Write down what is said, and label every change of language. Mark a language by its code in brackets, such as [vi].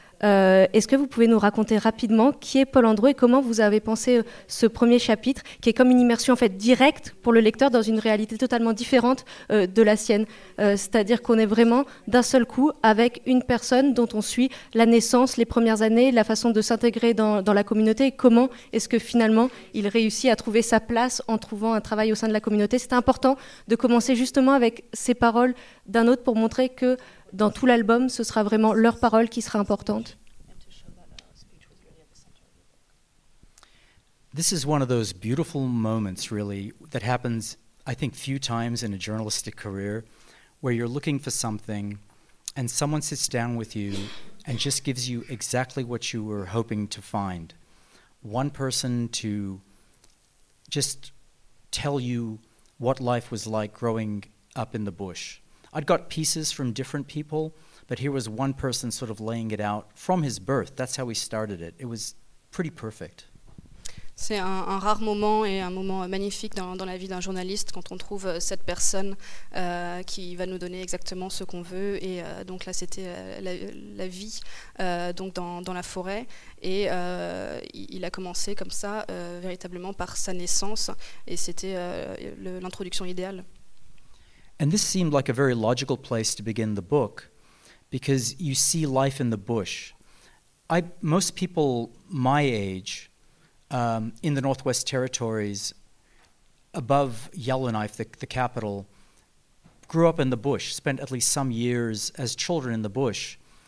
[fr] Est-ce que vous pouvez nous raconter rapidement qui est Paul Andrew et comment vous avez pensé ce premier chapitre qui est comme une immersion en fait directe pour le lecteur dans une réalité totalement différente de la sienne, c'est-à-dire qu'on est vraiment d'un seul coup avec une personne dont on suit la naissance, les premières années, la façon de s'intégrer dans la communauté et comment est-ce que finalement il réussit à trouver sa place en trouvant un travail au sein de la communauté. C'est important de commencer justement avec ces paroles d'un autre pour montrer que dans tout l'album, ce sera vraiment leur parole qui sera importante. [en] This is one of those beautiful moments, really, that happens, I think, few times in a journalistic career, where you're looking for something, and someone sits down with you and just gives you exactly what you were hoping to find. One person to just tell you what life was like growing up in the bush. I'd got pieces from different people, but here was one person sort of laying it out from his birth. That's how he started it. It was pretty perfect. [fr] C'est un rare moment et un moment magnifique dans la vie d'un journaliste quand on trouve cette personne qui va nous donner exactement ce qu'on veut. Et donc là, c'était la vie donc dans la forêt. Et il a commencé comme ça, véritablement par sa naissance. Et c'était l'introduction idéale. [en] And this seemed like a very logical place to begin the book, because you see life in the bush. Most people my age, in the Northwest Territories, above Yellowknife, the capital, grew up in the bush, spent at least some years as children in the bush.